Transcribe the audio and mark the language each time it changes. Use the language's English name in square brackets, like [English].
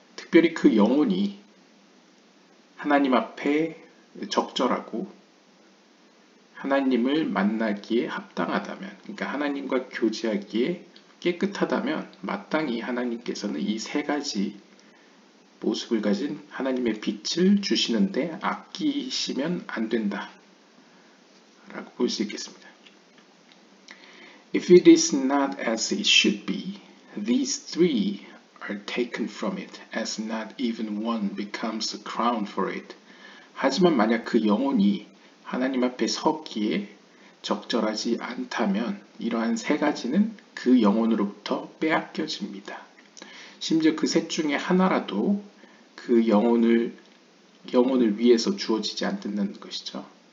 [Korean] 특별히 그 영혼이 하나님 앞에 적절하고 하나님을 만나기에 합당하다면, 그러니까 하나님과 교제하기에 깨끗하다면 마땅히 하나님께서는 이세 가지 모습을 가진 하나님의 빛을 주시는데 아끼시면 안 된다라고 볼수 있겠습니다. [English] If it is not as it should be, these three are taken from it, as not even one becomes a crown for it. [Korean] 하지만 만약 그 영혼이 하나님 앞에 섰기에 적절하지 않다면 이러한 세 가지는 그 영혼으로부터 빼앗겨집니다. 심지어 그셋 중에 하나라도 그 영혼을 위해서 주어지지 않는다는 것이죠.